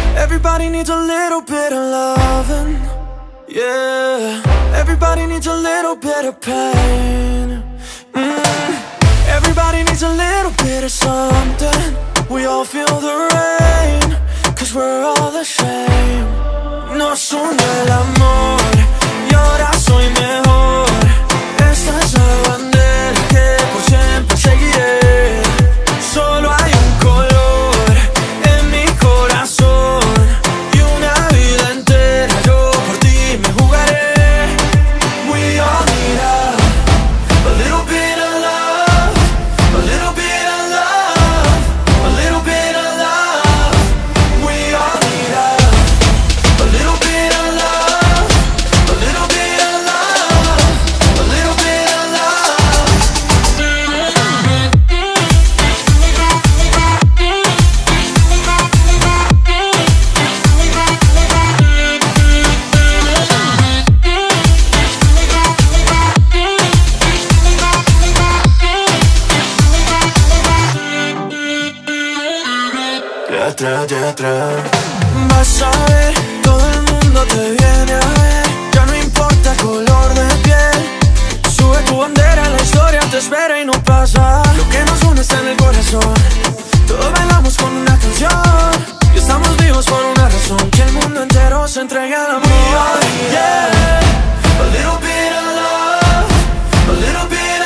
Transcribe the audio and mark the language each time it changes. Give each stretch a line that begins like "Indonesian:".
English: Everybody needs a little bit of loving. Yeah. Everybody needs a little bit of pain. Everybody needs a little bit of something. We all feel the rain, 'cause we're all ashamed.
Spanish: No son el amor, y ahora soy mejor. Esta es la bandera que por siempre seguiré. Solo hay un color en mi corazón, y una vida entera yo por ti me jugaré.
English: We all need a little bit of love, a little bit of love, a little bit of love. We all need a little bit of love, a little bit of love, a little bit of love.
Spanish: Detrás, detrás. Vas a ver, todo el mundo te viene a ver. Ya no importa el color de piel. Sube tu bandera, la historia te espera y no pasa. Lo que nos une está en el corazón. Todos bailamos con una canción. Y estamos vivos por una razón. Que el mundo entero se entregue al amor.
English: We are, yeah. A little bit of love, a little bit.